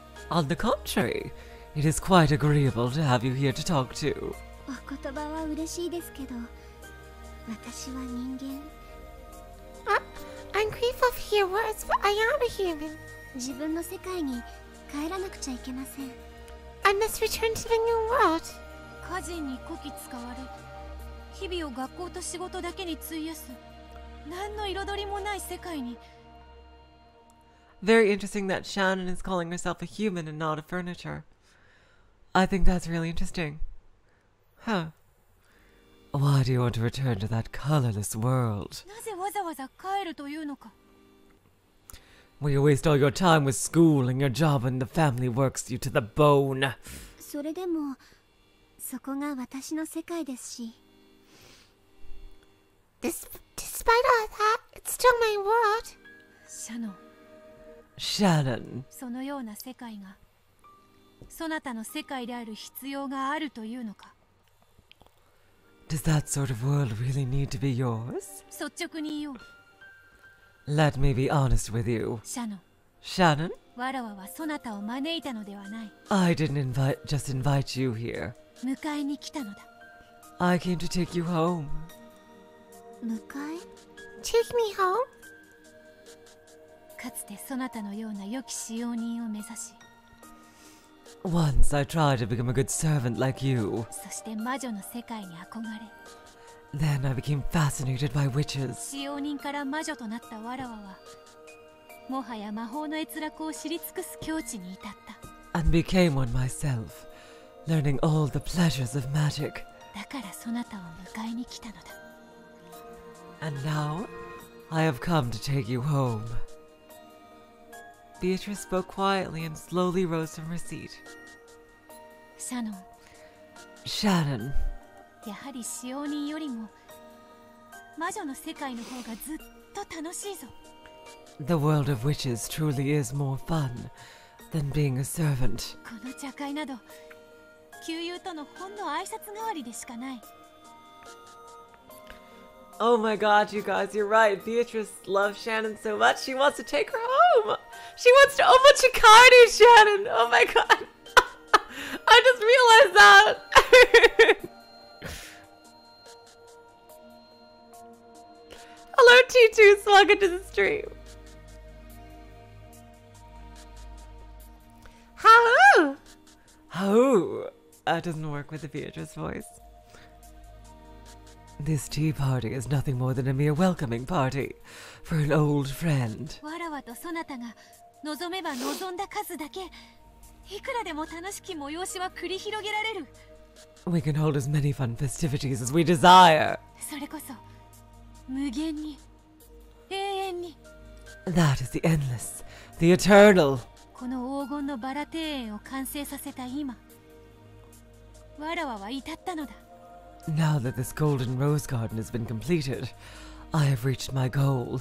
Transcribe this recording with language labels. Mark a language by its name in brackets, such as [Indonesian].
[English] On the contrary, it is quite agreeable to have you here to talk to. I'm grateful for your words, but I am a human. [Japanese] 自分の世界に帰らなくちゃいけません。 [English] I must return to the new world. [Japanese] 家人にこき使われ、日々を学校と仕事だけに費やす、何の彩りもない世界に。 [English] Very interesting that Shannon is calling herself a human and not a furniture. I think that's really interesting. Huh. Why do you want to return to that colorless world? [Japanese] なぜわざわざ帰るというのか。 [English] Will you waste all your time with school and your job and the family works you to the bone? [Japanese] それでも、そこが私の世界ですし。 [English] Despite all that, it's still my world. Shannon. Shannon. [Japanese] そのような世界が、そなたの世界である必要があるというのか。 [English] Does that sort of world really need to be yours? [Japanese] 率直に言おう。 [English] Let me be honest with you. Shannon? [Japanese] わらわはそなたを招いたのではない。 [English] I didn't invite you here. [Japanese] 迎えに来たのだ。 [English] I came to take you home. [Japanese] 迎え? [English] Take me home? [Japanese] かつてそなたのような良き使用人を目指し。 [English] Once I tried to become a good servant like you. [Japanese] そして魔女の世界に憧れ。 [English] Then I became fascinated by witches. [Japanese] 使用人から魔女となったわらわは、もはや魔法の閲覧を知り尽くす境地に至った。 [English] And became one myself, learning all the pleasures of magic. [Japanese] だからそなたを迎えに来たのだ。 [English] And now, I have come to take you home. Beatrice spoke quietly and slowly rose from her seat. Shannon. Shannon. [Japanese] やはり使用人よりも魔女の世界の方がずっと楽しいぞ。 [English] The world of witches truly is more fun than being a servant. [Japanese] この茶会など、旧友とのほんの挨拶代わりでしかない。 [English] Oh my god, you guys, you're right. Beatrice loves Shannon so much, she wants to take her home. She wants to open Chikari, Shannon. Oh my god. I just realized that. Hello, T2s. Welcome to the stream. Hello. Hello. That doesn't work with the Beatrice voice. This tea party is nothing more than a mere welcoming party for an old friend. [Japanese] わらわとそなたが望めば望んだ数だけ、いくらでも楽しき催しは繰り広げられる。 [English] We can hold as many fun festivities as we desire. [Japanese] それこそ。無限に、永遠に。 [English] That is the endless, the eternal. [Japanese] この黄金のバラ庭園を完成させた今、わらわは至ったのだ。 [English] Now that this golden rose garden has been completed, I have reached my goal.